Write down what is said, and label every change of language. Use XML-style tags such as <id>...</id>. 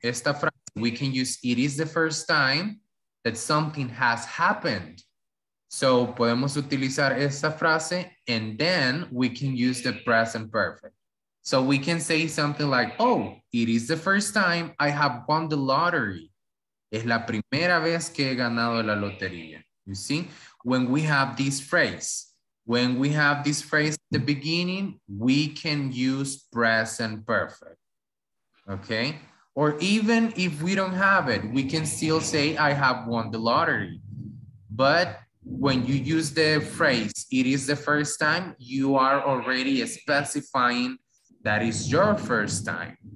<es>Esta frase,</es> <en>we can use, it is the first time that something has happened. So,</en> <es>podemos utilizar esta frase,</es> <en>and then we can use the present perfect. So, we can say something like, oh, it is the first time I have won the lottery.</en> <es>Es la primera vez que he ganado la lotería.</es> <en>You see? When we have this phrase, when we have this phrase at the beginning, we can use present perfect. Okay? Or even if we don't have it, we can still say, I have won the lottery. But when you use the phrase, it is the first time, you are already specifying that it's your first time.</en>